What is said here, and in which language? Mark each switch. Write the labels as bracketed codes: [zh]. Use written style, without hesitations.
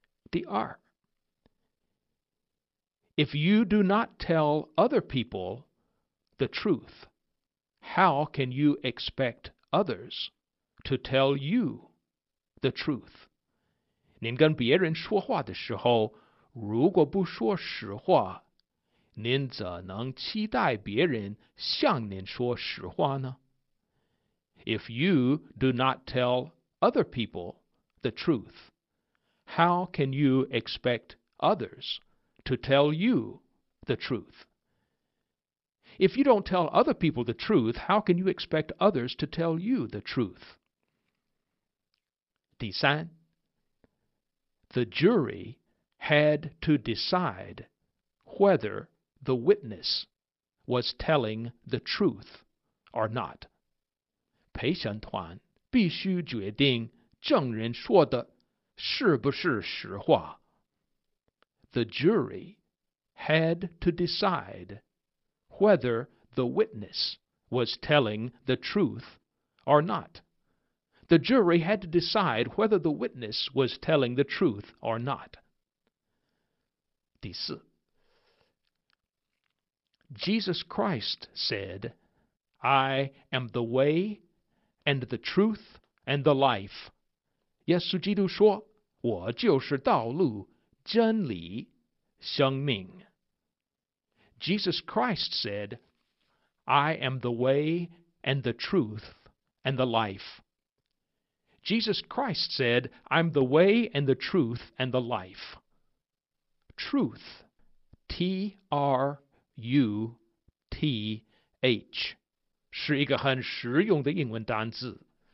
[zh] 第二， [en] If you do not tell other people the truth,How can you expect others to tell you the truth? [zh] 您跟别人说话的时候，如果不说实话，您怎能期待别人向您说实话呢？ [en] If you do not tell other people the truth, how can you expect others to tell you the truth? If you don't tell other people the truth, how can you expect others to tell you the truth? [zh] 第三， [en] The jury had to decide whether the witness was telling the truth or not. [zh] 陪审团必须决定证人说的是不是实话。 [en] The jury had to decide whether the witness was telling the truth or not. The jury had to decide whether the witness was telling the truth or not. [zh] 第四， [en] Jesus Christ said, I am the way and the truth and the life. [zh] 耶稣基督说，我就是道路、真理、生命。 [en] Jesus Christ said, I am the way and the truth and the life. Jesus Christ said, I'm the way and the truth and the life. [zh] Truth, T-R-U-T-H, 是一个很实用的英文单字。